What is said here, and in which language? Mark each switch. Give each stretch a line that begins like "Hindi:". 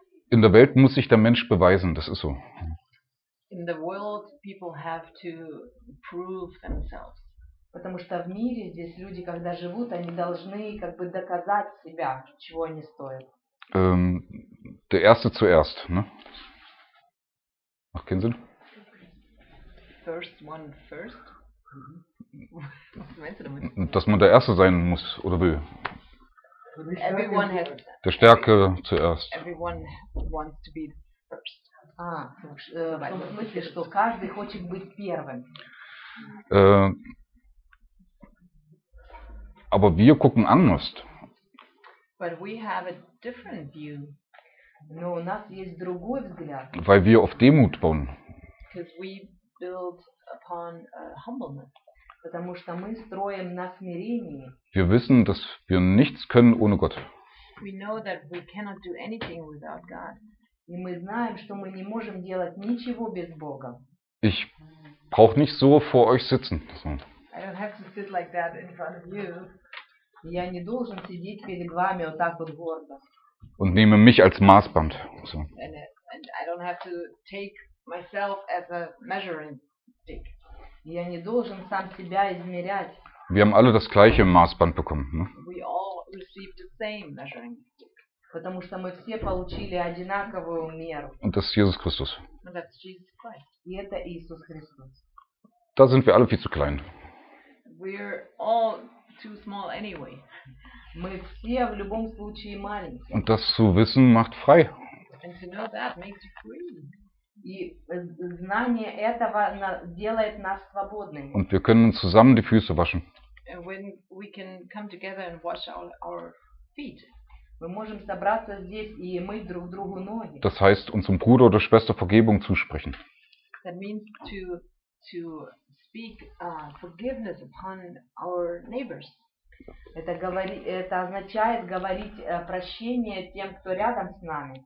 German: In der Welt muss sich der Mensch beweisen, das ist so.
English: In the world people have to prove themselves.
Russian: Потому что в мире здесь люди, когда живут, они должны как бы доказать себя, чего они стоят.
German: Der Erste zuerst, ne? Macht keinen Sinn?
English: First one first?
German: Was meinst du damit? Dass man der Erste sein muss oder will.
English: Everyone has
German: der Stärke zuerst.
English: Everyone wants to be the first.
Russian: В том смысле, что каждый хочет быть первым.
German: Aber wir gucken anders.
English: But we have a different view.
Russian: Но у нас есть другой взгляд.
German: Weil wir auf Demut bauen.
English: Because we build upon humbleness.
Russian: Потому что мы строим на смирении.
German: Wir wissen, dass wir nichts können ohne Gott.
English: We know that we cannot do anything without God.
Russian: И мы знаем, что мы не можем делать ничего без Бога.
German: Ich brauche nicht so vor euch sitzen.
English: I don't have to sit like that in front of you.
Russian: Я не должен сидеть перед вами вот так вот гордо.
German: Und nehme mich als Maßband. So.
English: And I don't have to take myself as a measuring stick.
Russian: Я не должен сам себя измерять.
German: Wir haben alle das gleiche Maßband bekommen, ne?
English: We all receive the same measuring stick.
Russian: Потому что мы все получили одинаковую меру.
German: Und das ist Jesus Christus.
English: And that's Jesus Christ.
Russian: И это Иисус Христос.
German: Da sind wir alle viel zu klein.
English: We're all too small anyway.
Russian: Мы все в любом случае маленькие.
German: Und das zu wissen macht frei.
English: And to know that makes you free.
Russian: И знание этого делает нас свободными.
German: Und wir können zusammen die Füße waschen.
English: And when we can come together and wash our feet.
Russian: Мы можем собраться здесь и мыть друг другу ноги.
German: Das heißt, unserem Bruder oder Schwester Vergebung zusprechen.
English: That means to speak forgiveness upon our neighbors.
Russian: Это означает говорить прощение тем, кто рядом с нами.